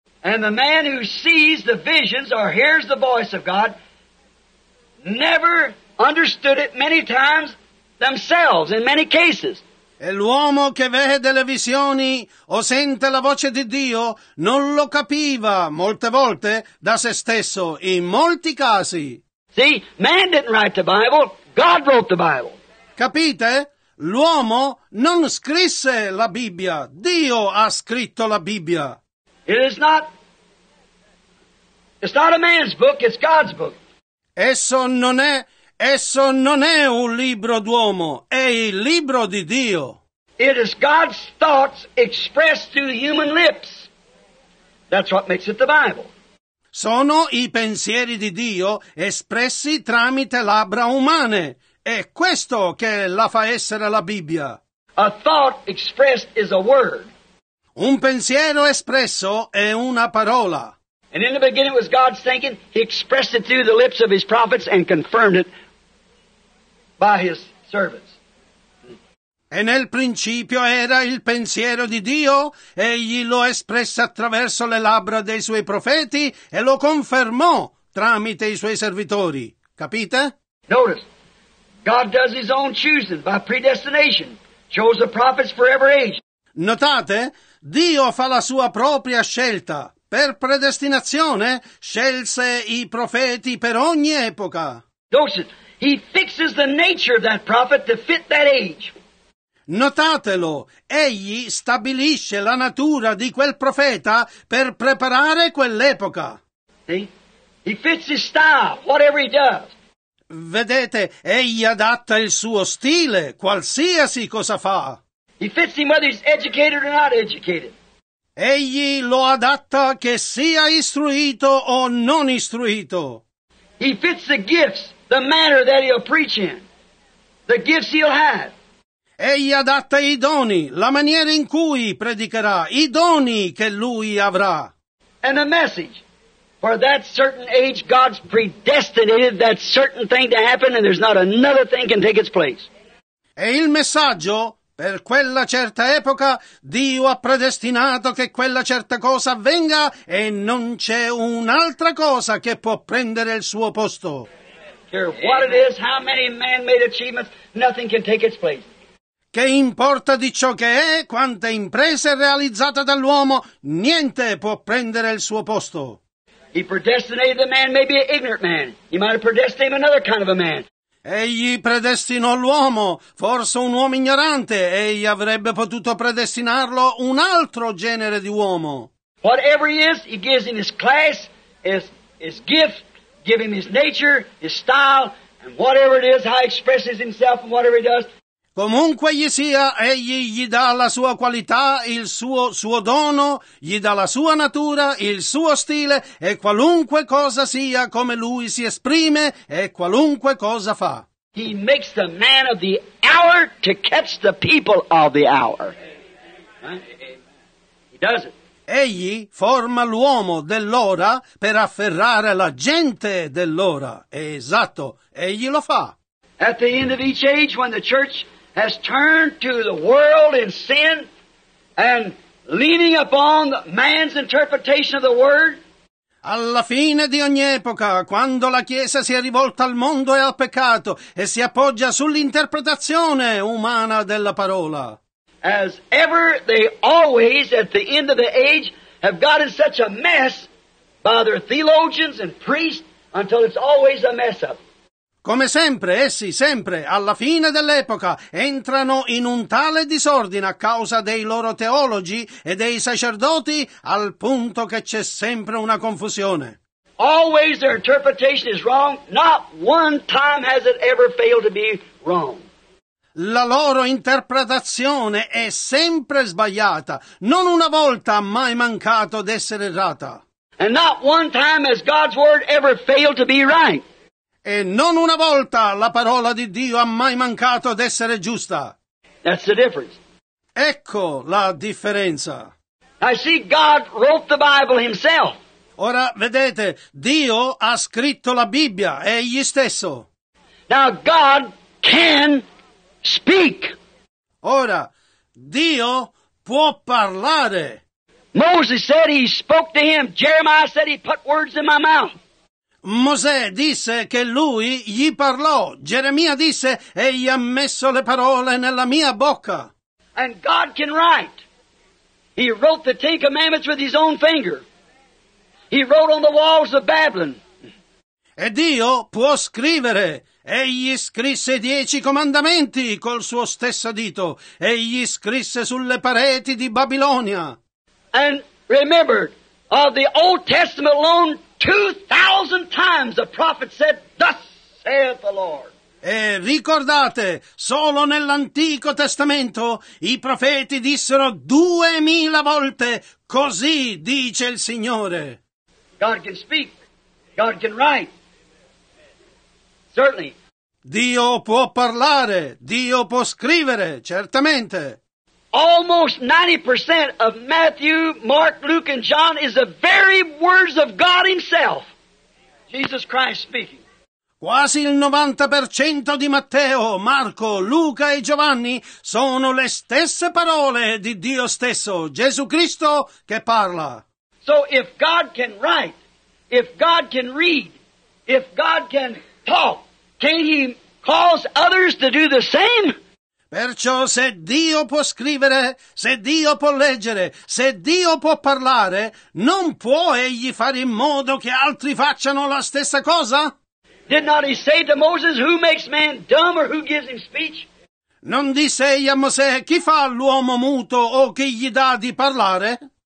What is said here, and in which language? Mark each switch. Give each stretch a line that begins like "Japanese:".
English: And the man who sees the visions or hears the voice of God never understood it many times themselves in many cases.
Italian: E l'uomo che vede le visioni o sente la voce di Dio non lo capiva molte volte da se stesso in molti casi.
English: See, man didn't write the Bible, God wrote the Bible.
Italian: Capite? L'uomo non scrisse la Bibbia, Dio ha scritto la Bibbia.
English: It's not a man's book, it's God's book.
Italian: Esso non è un libro d'uomo, è il libro di Dio.
English: It is God's thoughts expressed through human lips. That's what makes it the Bible.
Italian: Sono i pensieri di Dio espressi tramite labbra umane. È questo che la fa essere la Bibbia.
English: A thought expressed is a word.
Italian: Un pensiero espresso è una parola.
English: And in the beginning was God's thinking. He expressed it through the lips of his prophets and confirmed it by his servants.
Italian: E nel principio era il pensiero di Dio, egli lo espresse attraverso le labbra dei suoi profeti e lo confermò tramite i suoi servitori. Capite?
English: Notice, God does his own choosing by predestination, chose the prophets for every age.
Italian: Notate, Dio fa la sua propria scelta. Per predestinazione scelse i profeti per ogni epoca.
English: Notice, he fixes the nature of that prophet to fit that age.
Italian: Notatelo, egli stabilisce la natura di quel profeta per preparare quell'epoca.
English: He fits his style, whatever he does.
Italian: Vedete, egli adatta il suo stile, qualsiasi cosa fa.
English: He fits him whether he's educated or not educated.
Italian: Egli lo adatta che sia istruito o non istruito.
English: He fits the gifts, the manner that he'll preach in, the gifts he'll have.
Italian: Egli adatta i doni, la maniera in cui predicherà, i doni che lui avrà.
English: And the message. For that certain age, God's predestinated that certain thing to happen and there's not another thing can take its place.
Italian: E il messaggio, per quella certa epoca, Dio ha predestinato che quella certa cosa avvenga e non c'è un'altra cosa che può prendere il suo posto.
English: Care what it is, how many man-made achievements, nothing can take its place.
Italian: Che importa di ciò che è, quante imprese realizzate dall'uomo, niente può prendere il suo posto.
English: He predestinated the man, maybe an ignorant man. He might have predestinated another kind of a man.
Italian: Egli predestinò l'uomo, forse un uomo ignorante, egli avrebbe potuto predestinarlo un altro genere di uomo.
English: Whatever he is, he gives him his class, his gift, give him his nature, his style, and whatever it is, how he expresses himself and whatever he does.
Italian: Comunque gli sia, egli gli dà la sua qualità, il suo dono, gli dà la sua natura, il suo stile, e qualunque cosa sia, come lui si esprime, e qualunque cosa fa.
English: He makes the man of the hour to catch the people of the hour. He does it.
Italian: Egli forma l'uomo dell'ora per afferrare la gente dell'ora. Esatto, egli lo fa.
English: At the end of each age, when the church has turned to the world in sin and leaning upon man's interpretation of the word.
Italian: Alla fine di ogni epoca, quando la Chiesa si è rivolta al mondo e al peccato e si appoggia sull'interpretazione umana della parola.
English: As ever, they always, at the end of the age, have gotten such a mess by their theologians and priests until it's always a mess up.
Italian: Come sempre, essi, sempre, alla fine dell'epoca, entrano in un tale disordine a causa dei loro teologi e dei sacerdoti, al punto che c'è sempre una confusione.
English: Always their interpretation is wrong. Not one time has it ever failed to be wrong.
Italian: La loro interpretazione è sempre sbagliata. Non una volta ha mai mancato d'essere errata.
English: And not one time has God's word ever failed to be right.
Italian: E non una volta la parola di Dio ha mai mancato d'essere giusta.
English: That's the difference.
Italian: Ecco la differenza.
English: I see God wrote the Bible himself.
Italian: Ora vedete, Dio ha scritto la Bibbia, egli stesso.
English: Now God can speak.
Italian: Ora Dio può parlare.
English: Moses said he spoke to him. Jeremiah said he put words in my mouth.
Italian: Mosè disse che lui gli parlò. Geremia disse egli ha messo le parole nella mia bocca.
English: And God can write. He wrote the Ten Commandments with his own finger. He wrote on the walls of Babylon.
Italian: E Dio può scrivere. Egli scrisse 10 comandamenti col suo stesso dito. Egli scrisse sulle pareti di Babilonia.
English: And remember, of the Old Testament alone, 2,000 times the prophet said, "Thus saith the Lord."
Italian: E ricordate, solo nell'Antico Testamento i profeti dissero 2,000 volte, "Così dice il Signore."
English: God can speak. God can write. Certainly.
Italian: Dio può parlare. Dio può scrivere. Certamente.
English: Almost 90% of Matthew, Mark, Luke, and John is the very words of God himself. Jesus Christ speaking.
Italian: Quasi il 90% di Matteo, Marco, Luca e Giovanni sono le stesse parole di Dio stesso, Gesù Cristo che parla.
English: So if God can write, if God can read, if God can talk, can he cause others to do the same?
Italian: Perciò se Dio può scrivere, se Dio può leggere, se Dio può parlare, non può egli fare in modo che altri facciano la stessa cosa?
English: Did not he say to Moses, who makes man dumb or who gives him speech?
Italian: Non disse egli a Mosè, chi fa l'uomo muto o chi gli dà di parlare?